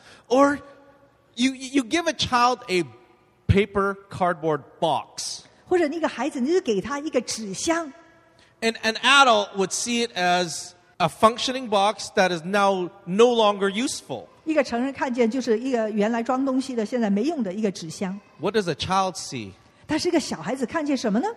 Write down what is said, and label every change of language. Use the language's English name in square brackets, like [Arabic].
[English] Or you give a child a paper cardboard box. [Chinese] 或者那个孩子,你就给他一个纸箱。 [English] And an adult would see it as a functioning box that is now no longer useful. [Chinese] 一个成人看见就是一个原来装东西的现在没用的一个纸箱。 [English] What does a child see? [Chinese] 但是一个小孩子看见什么呢?